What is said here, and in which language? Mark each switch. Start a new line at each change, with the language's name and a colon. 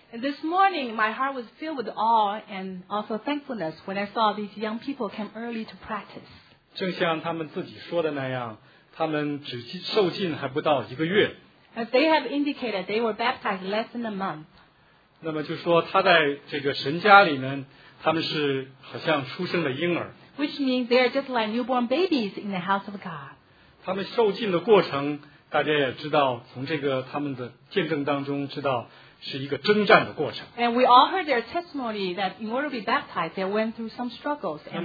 English: And this morning, my heart was filled with awe and also thankfulness when I saw these young people come early to practice.
Chinese: 正像他们自己说的那样，他们只受浸还不到一个月。
English: As they have indicated, they were baptized less than a month.
Chinese: 那么就说他在这个神家里呢，他们是好像出生的婴儿。
English: Which means they are just like newborn babies in the house of God.
Chinese: 他们受浸的过程，大家也知道，从这个他们的见证当中知道，是一个征战的过程。
English: And we all heard their testimony that in order to be baptized, they went through some struggles.